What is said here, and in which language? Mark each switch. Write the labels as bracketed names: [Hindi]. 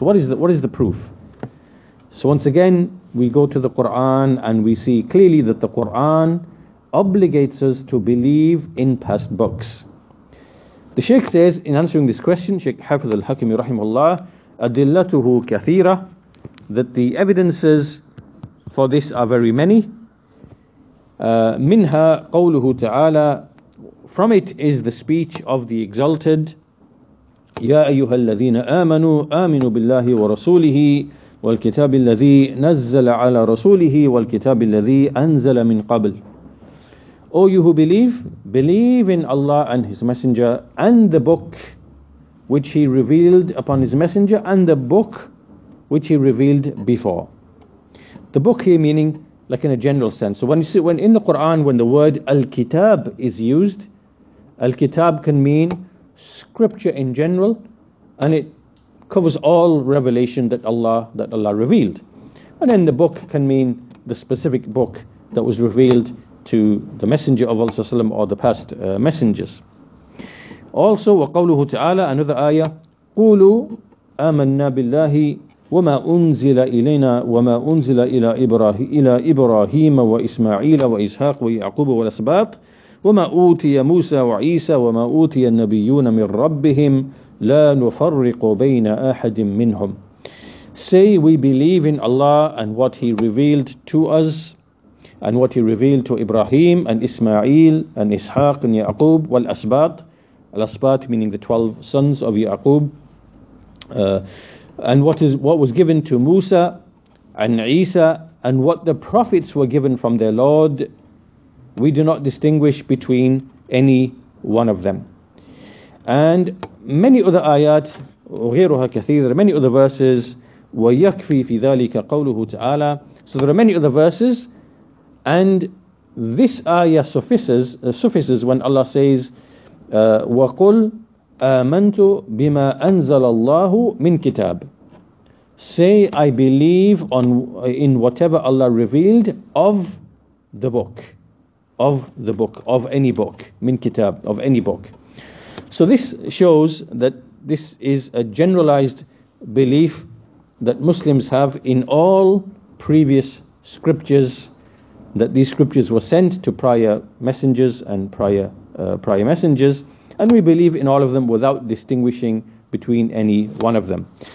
[English] What is the proof? So once again, we go to the Quran, and we see clearly that the Quran obligates us to believe in past books. The Shaykh says, in answering this question, Shaykh Hafiz al-Hakimi rahimahullah, [Arabic] أدلته كثيرة, [English] that the evidences for this are very many. [Arabic] منها قوله تعالى, [English] from it is the speech of the exalted, [Arabic] يا أيها الذين آمنوا آمنوا بالله ورسوله والكتاب الذي نزل على رسوله والكتاب الذي أنزل من قبل. [English] O you who believe in Allah and His Messenger and the book which He revealed upon His Messenger and the book which He revealed before. The book here meaning like in a general sense. So when in the Quran, when the word Al-Kitab is used, Al-Kitab can mean scripture in general, and it covers all revelation that Allah revealed. And then the book can mean the specific book that was revealed to the Messenger of Allah Sallallahu Alaihi Wasallam, or the past messengers. [Arabic] Also, وَقَوْلُهُ تَعَالَى, [English] another ayah, [Arabic] قُولُوا آمَنَّا بِاللَّهِ وَمَا أُنزِلَ إِلَيْنَا وَمَا أُنزِلَ إِلَى إِبْرَاهِيمَ وَإِسْمَعِيلَ وَإِسْحَاقَ وَيَعْقُوبَ وَالْأَسْبَاطِ وَمَا أُوتِيَ مُوسَى وَعِيسَى وَمَا أُوتِيَ النَّبِيُّونَ مِنْ رَبِّهِمْ لَا نُفَرِّقُ بَيْنَ أَحَدٍ مِّنْهُمْ. [English] Say, we believe in Allah and what He revealed to us, and what He revealed to Ibrahim and Ismail and Ishaq and Ya'qub, wal Asbat, al Asbat meaning the 12 sons of Ya'qub, and what was given to Musa and Isa, and what the prophets were given from their Lord, we do not distinguish between any one of them. And many other ayat, [Arabic] غيرها كثيرة, [English] many other verses, [Arabic] ويكفي في ذلك قوله تعالى. [English] So there are many other verses, and this ayah suffices when Allah says, [Arabic] وقل آمنت بما أنزل الله من كتاب. [English] Say I believe on in whatever Allah revealed of the book, of the book, of any book, min kitab, of any book. So this shows that this is a generalized belief that Muslims have in all previous scriptures, that these scriptures were sent to prior messengers and prior messengers, and we believe in all of them without distinguishing between any one of them.